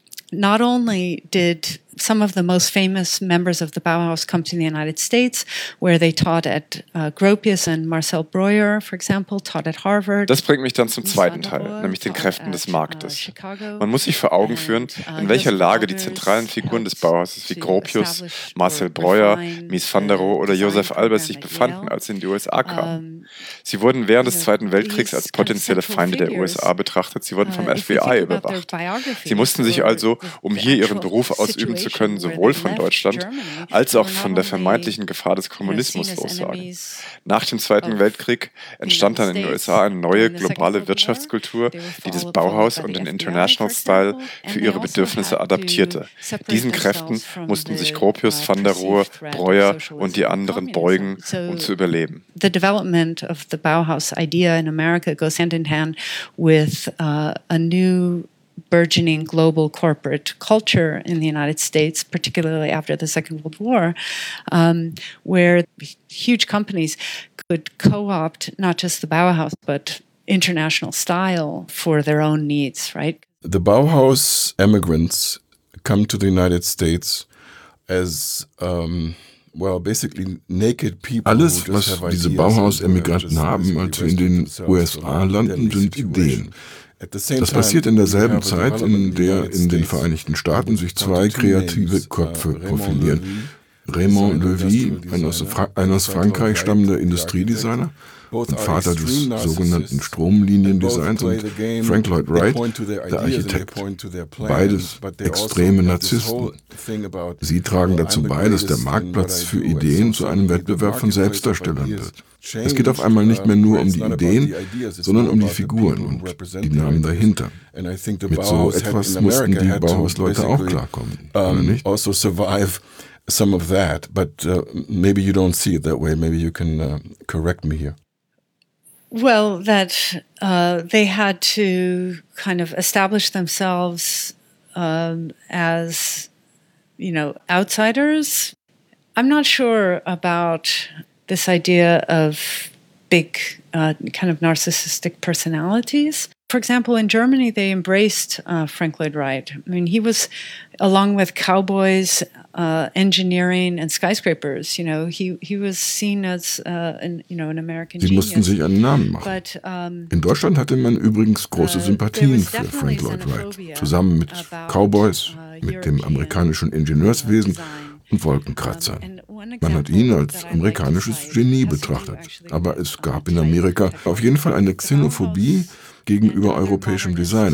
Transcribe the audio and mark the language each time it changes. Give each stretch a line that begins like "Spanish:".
English: Not only did some of the most famous members of the Bauhaus come to the United States, where they taught at Gropius and Marcel Breuer, for example, taught at Harvard.
German: Das bringt mich dann zum zweiten Teil, nämlich den Kräften des Marktes. Man muss sich vor Augen führen, in welcher Lage die zentralen Figuren des Bauhauses wie Gropius, Marcel Breuer, Mies van der Rohe oder Joseph Albers sich befanden, als sie in die USA kamen. Sie wurden während des Zweiten Weltkriegs als potenzielle Feinde der USA betrachtet. Sie wurden vom FBI überwacht. Sie mussten sich also, um hier ihren Beruf ausüben zu können, sowohl von Deutschland als auch von der vermeintlichen Gefahr des Kommunismus lossagen. Nach dem Zweiten Weltkrieg entstand dann in den USA eine neue globale Wirtschaftskultur, die das Bauhaus und den International Style für ihre Bedürfnisse adaptierte. Diesen Kräften mussten sich Gropius, van der Rohe, Breuer und die anderen beugen, um zu überleben.
English: The development of the Bauhaus idea in America goes hand in hand with a new burgeoning global corporate culture in the United States, particularly after the Second World War, where huge companies could co-opt not just the Bauhaus, but international style for their own needs, right? The Bauhaus immigrants come to the United States as basically naked people.
German: Alles, was diese Bauhaus-Emigranten haben, als sie in den USA landen, sind Ideen. Das passiert in derselben Zeit, in der in den Vereinigten Staaten sich zwei kreative Köpfe profilieren. Raymond Loewy, ein aus Frankreich stammender Industriedesigner, und Vater des sogenannten Stromliniendesigns, und Frank Lloyd Wright, der Architekt, beides extreme Narzissten. Sie tragen dazu bei, dass der Marktplatz für Ideen zu einem Wettbewerb von Selbstdarstellern wird. Es geht auf einmal nicht mehr nur um die Ideen, sondern um die Figuren und die Namen dahinter. Mit so etwas mussten die Bauhaus-Leute auch klarkommen, oder nicht?
English: Some of that, but maybe you don't see it that way. Maybe you can correct me here. Well, that they had to kind of establish themselves as, you know, outsiders. I'm not sure about this idea of big kind of narcissistic personalities. For example, in Germany, they embraced Frank Lloyd Wright. I mean, he was, along with cowboys, engineering and skyscrapers, you know, he was seen as an American genius.
German: Sie mussten sich einen Namen machen.
English: But,
German: in Deutschland hatte man übrigens große Sympathien für Frank Lloyd Wright, zusammen mit Cowboys, mit dem amerikanischen Ingenieurswesen und Wolkenkratzern. Man hat ihn als amerikanisches Genie betrachtet. Aber es gab in Amerika auf jeden Fall eine Xenophobie gegenüber europäischem Design.